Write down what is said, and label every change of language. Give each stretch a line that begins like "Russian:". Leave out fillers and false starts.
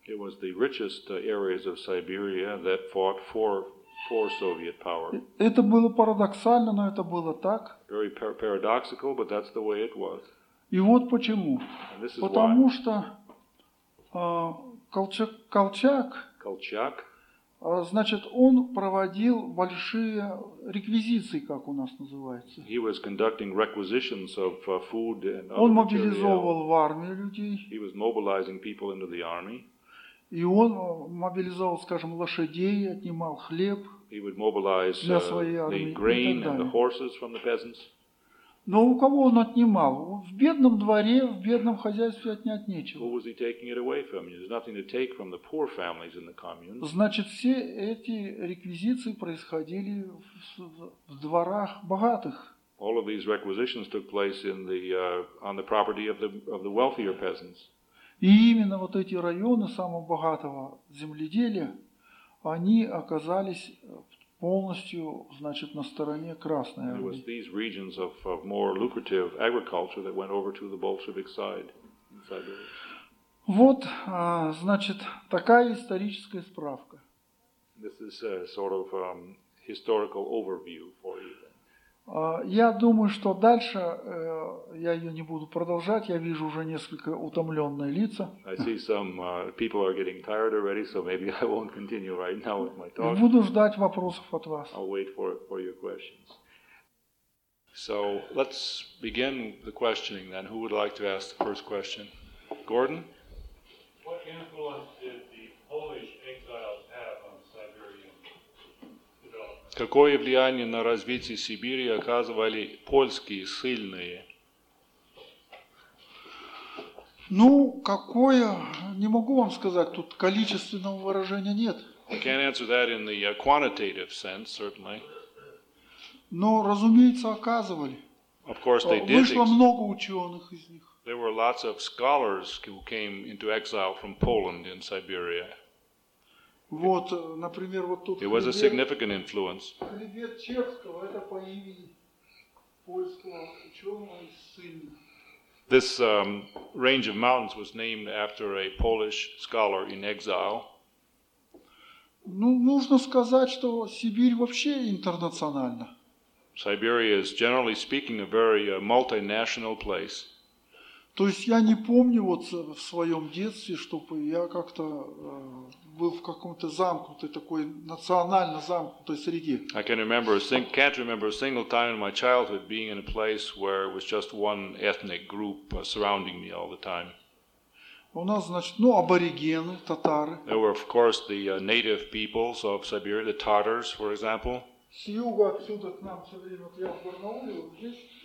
English: It was the richest areas of Siberia that fought for Soviet power.
Russian: Это было парадоксально, но это было так.
English: Very paradoxical, but that's the way it was.
Russian: И вот почему.
English: And this is
Russian: потому
English: why.
Russian: Что Колчак, значит, он проводил большие реквизиции, как у нас называется.
English: He was conducting requisitions of food and other
Russian: он мобилизовывал в армию людей.
English: He was mobilizing people into the army.
Russian: И он мобилизовал, скажем, лошадей, отнимал хлеб для своей армии
English: the grain
Russian: и так далее.
English: And the horses from the peasants.
Russian: Но у кого он отнимал? В бедном дворе, в бедном хозяйстве отнять нечего.
English: Who was he taking it away from? There's nothing to take from the poor families in the commune.
Russian: Значит, все эти реквизиции происходили в дворах богатых.
English: All of these requisitions took place in the on the property of the wealthier peasants.
Russian: И именно вот эти районы самого богатого земледелия, они оказались полностью, значит, на стороне Красной армии.
English: It was these regions of more lucrative agriculture that went over to the Bolshevik side in Siberia.
Russian: Вот, значит, такая историческая справка.
English: This is a sort of historical overview for you.
Russian: Я думаю, что дальше я ее не буду продолжать. Я вижу уже несколько утомленные лица.
English: I see some people are getting tired already, so maybe I won't continue right now with my talk.
Russian: Буду ждать вопросов от вас.
English: I'll wait for your questions. So let's begin the questioning then. Who would like to ask the first question? Gordon? What influence did the Polish exiles
Russian: Какое влияние на развитие Сибири оказывали польские ссыльные? Ну, какое, не могу вам сказать, тут количественного выражения нет.
English: I can't answer that in the quantitative sense, certainly.
Russian: Но, разумеется, оказывали.
English: Of course, they did.
Russian: Вышло много ученых из них.
English: There were lots of scholars who came into exile from Poland in Siberia.
Russian: Вот, например, вот тут.
English: It was a significant influence.
Russian: Левет Чехского, это по имени польского ученого и сына.
English: This range of mountains was named after a Polish scholar in exile.
Russian: Ну, нужно сказать, что Сибирь вообще интернациональна.
English: Siberia is generally speaking a very multinational place.
Russian: То есть я не помню вот в своем детстве, чтобы я как-то был в каком-то замкнутой такой национально замкнутой среде.
English: I can remember can't remember a single time in my childhood being in a place where it was just one ethnic group surrounding me all the time.
Russian: У нас, значит, ну, аборигены, татары.
English: There were, of course, the native peoples of Siberia, the Tatars, for example.
Russian: С юга отсюда к нам все время, вот я в Барнауле, вот здесь.